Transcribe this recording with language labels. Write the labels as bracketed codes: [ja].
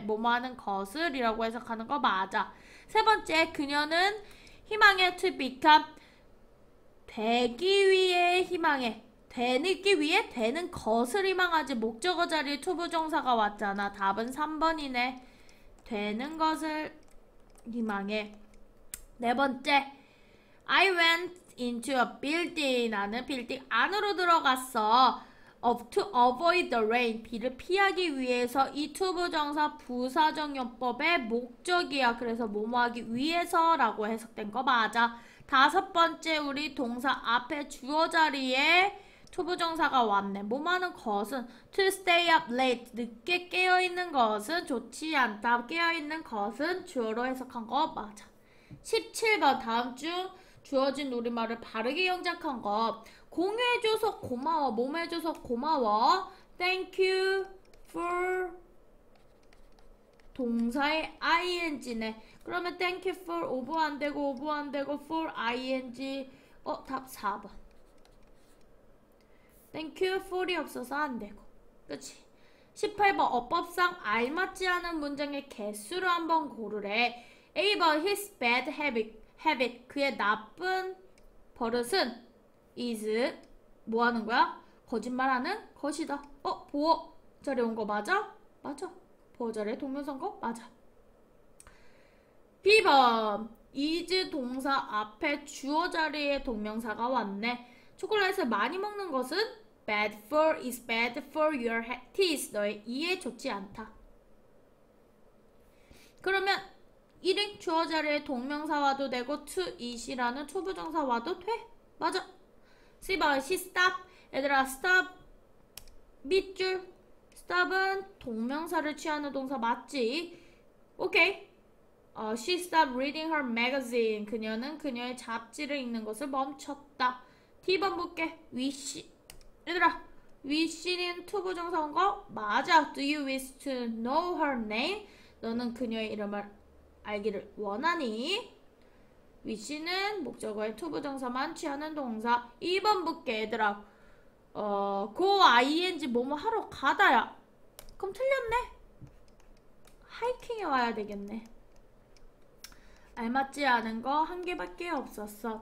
[ko] 뭐뭐 하는 것을이라고 해석하는 거 맞아. 세 번째, 그녀는 희망해 [en] to become [ko] 되기 위해 희망해 되기 위해 되는 것을 희망하지 목적어 자리에 투부정사가 왔잖아. 답은 3번이네. 되는 것을 희망해. [en] 네 번째, I went into a building. [ko] 나는 빌딩 안으로 들어갔어. [en] Of to avoid the rain. [ko] 비를 피하기 위해서 이 투부정사 부사정용법의 목적이야. 그래서 뭐뭐 하기 위해서라고 해석된 거 맞아. 다섯 번째 우리 동사 앞에 주어 자리에 투부정사가 왔네. 뭐뭐하는 것은 [en] to stay up late. [ko] 늦게 깨어 있는 것은 좋지 않다. 깨어 있는 것은 주어로 해석한 거 맞아. 17번 다음 중 주어진 우리말을 바르게 영작한 것. 공유해줘서 고마워. 몸 해줘서 고마워. [en] Thank you for [ko] 동사의 [en] ing네. [ko] 그러면 [en] thank you for [ko] 오버 안 되고 오버 안 되고 for ing. 답 4번. [en] Thank you for [ko] 이 없어서 안 되고. 그치? 18번 어법상 알맞지 않은 문장의 개수를 한번 고르래. [en] A번 his bad habit. [ko] 그의 나쁜 버릇은 is 뭐 하는 거야? 거짓말하는 것이다. 보어 자리에 온거 맞아? 맞아. 보어 자리에 동명사인 거 맞아. B번 is 동사 앞에 주어 자리에 동명사가 왔네. 초콜릿을 많이 먹는 것은 [en] bad for is bad for your teeth. [ko] 너의 이에 좋지 않다. 그러면 일행 주어 자리에 동명사 와도 되고 to it이라는 투부정사 와도 돼? 맞아. C번 [en] she stop. [ko] 얘들아 stop 밑줄 stop은 동명사를 취하는 동사 맞지? 오케이. [en] She stopped reading her magazine. [ko] 그녀는 그녀의 잡지를 읽는 것을 멈췄다. D번 볼게. wish. 얘들아 wish는 투부정사인 거 맞아. [en] Do you wish to know her name? [ko] 너는 그녀의 이름을 알기를 원하니? wish는 목적어의 투부정사만 취하는 동사. 2번 볼게, 얘들아. go ing 뭐뭐 하러 가다야. 그럼 틀렸네. 하이킹에 와야 되겠네. 알맞지 않은 거한 개밖에 없었어.